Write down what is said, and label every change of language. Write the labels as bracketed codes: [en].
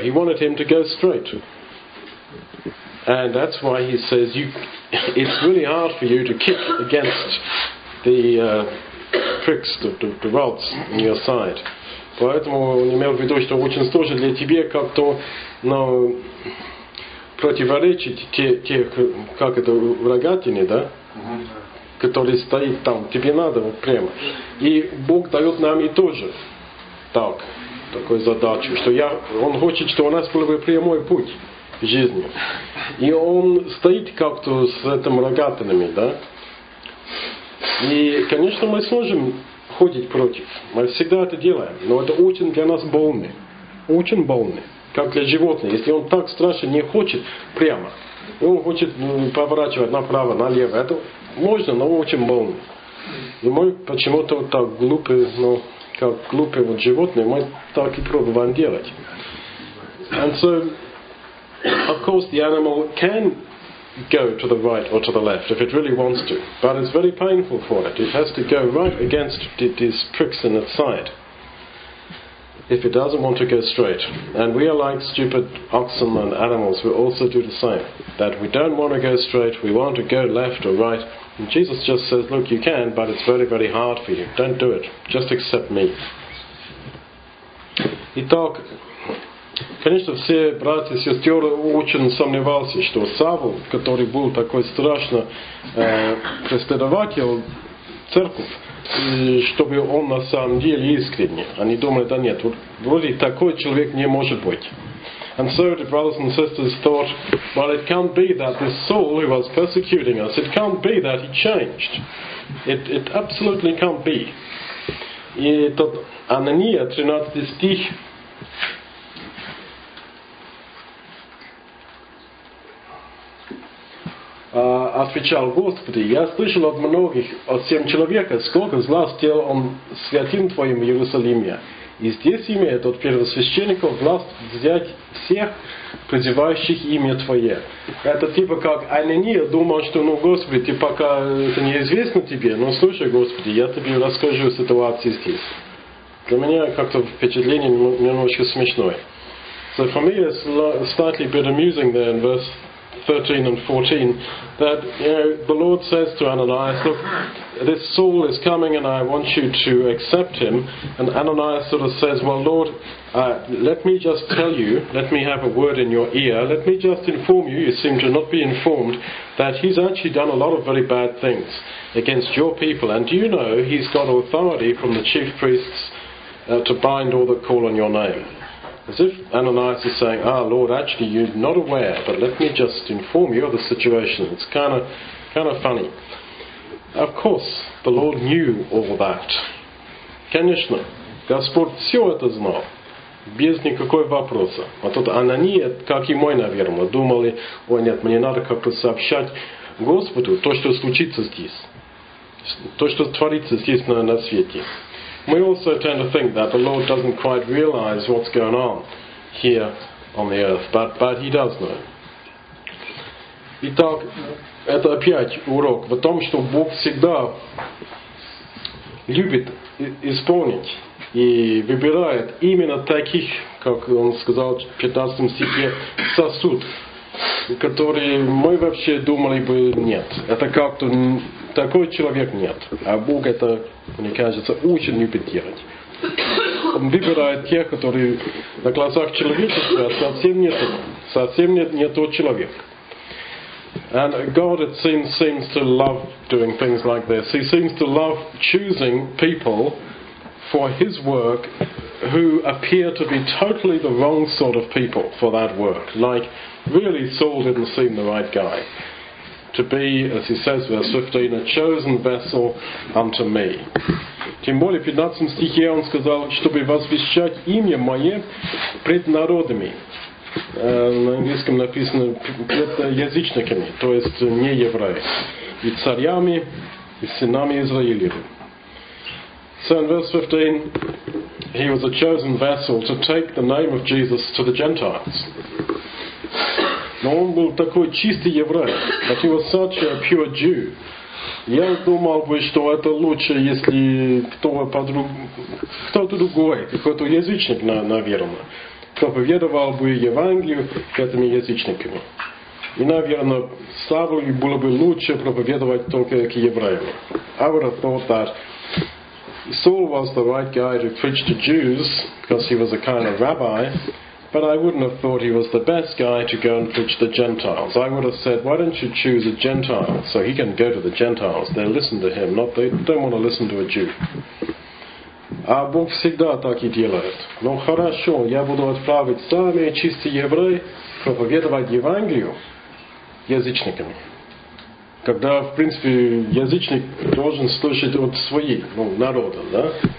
[en] He wanted him to go straight. And that's why he says, it's really hard for you to kick against the tricks, the rods on your side. [ru] Поэтому он имел в виду, что очень сложно для тебя как-то, ну, противоречить те, как это, рогатине, да? Которые стоят там. Тебе надо вот прямо. И Бог дает нам и тоже так, такую задачу, что он хочет, чтобы у нас был бы прямой путь в жизни. И он стоит как-то с этим рогатинами, да? И, конечно, мы сможем ходить против. Мы всегда это делаем. Но это очень для нас больно. Очень больно. Как для животных. Если он так страшно не хочет прямо, он хочет, ну, поворачивать направо, налево. Это Можно, но очень больно. И мы почему-то вот так глупые, ну, как глупые вот животные, мы так и пробуем делать. [en] And so, of course, the animal can go to the right or to the left if it really wants to. But it's very painful for it. It has to go right against these pricks in its side if it doesn't want to go straight. And we are like stupid oxen and animals. We also do the same. That we don't want to go straight. We want to go left or right. And Jesus just says, look, you can, but it's very, very hard for you. Don't do it. Just accept me. [ru] Итак, конечно, все братья и сестры очень сомневались, что Савл, который был такой страшно преследователь церковь, чтобы он на самом деле искренне. Они думали, да нет, вот вроде такой человек не может быть. [en] And so the brothers and sisters thought, well, it can't be that this Saul who was persecuting us, it can't be that he changed. It absolutely can't be. [ru] И тот Анания, 13 стих, отвечал: Господи, я слышал от многих, от семь человек, сколько зла сделал он святым твоим в Иерусалиме. И здесь имеет от первосвященников власть взять всех, призывающих имя Твое. Это типа как Анания думал, что, ну, Господи, ты пока это неизвестно тебе, но слушай, Господи, я тебе расскажу ситуацию здесь. Для меня как-то впечатление немножко смешное. [en] So for me it's slightly a bit amusing there in verse 13 and 14, that, you know, the Lord says to Ananias, look, this Saul is coming and I want you to accept him. And Ananias sort of says, well, Lord, let me just tell you, let me have a word in your ear, let me just inform you, you seem to not be informed, that he's actually done a lot of very bad things against your people. And do you know he's got authority from the chief priests to bind all that call on your name? As if Ananias is saying, ah, Lord, actually, you're not aware, but let me just inform you of the situation. It's kind of funny. Of course, the Lord knew all that. [ru] Конечно, Господь все это знал, без никакой вопроса. А тут Анания, как и мой, наверное, думали, ой, нет, мне надо как-то сообщать Господу то, что случится здесь, то, что творится здесь на свете. [en] We also tend to think that the Lord doesn't quite realize what's going on here on the earth, but he does know. [ru] Итак, это опять урок в том, что Бог всегда любит исполнить и выбирает именно таких, как он сказал в 15 стихе, сосуд, которые мы вообще думали бы нет. Это как-то такой человек нет. А Бог это, мне кажется, очень любит делать. Он выбирает тех, которые на глазах человечества совсем не тот человек. [en] And God, it seems to love doing things like this. He seems to love choosing people for his work who appear to be totally the wrong sort of people for that work. Like, really, Saul didn't seem the right guy to be, as he says, verse 15, a chosen vessel unto me. [ru] Тем более, в 15 стихе он сказал, чтобы возвещать имя мое пред народами. На английском написано пред язычниками, то есть не евреи, и царями, и сынами Израилевы. [en] So in verse 15, he was a chosen vessel to take the name of Jesus to the Gentiles. [ru] Но он был такой чистый еврей, [en] but he was such a pure Jew. [ru] Я думал бы, что это лучше, если кто-то другой, какой-то язычник, наверное, проповедовал бы Евангелие к этим язычникам. И, наверное, Савву было бы лучше проповедовать только к евреям. [en] I would have thought that Saul was the right guy to preach to Jews, because he was a kind of rabbi, but I wouldn't have thought he was the best guy to go and preach to the Gentiles. I would have said, why don't you choose a Gentile so he can go to the Gentiles? They'll listen to him, not they don't want to listen to a Jew. [ru] А Бог всегда так и делает. Ну хорошо, я буду отправить самые чистые евреи проповедовать Евангелие язычникам. Когда, в принципе, язычник должен слышать от своих, ну, народа, да?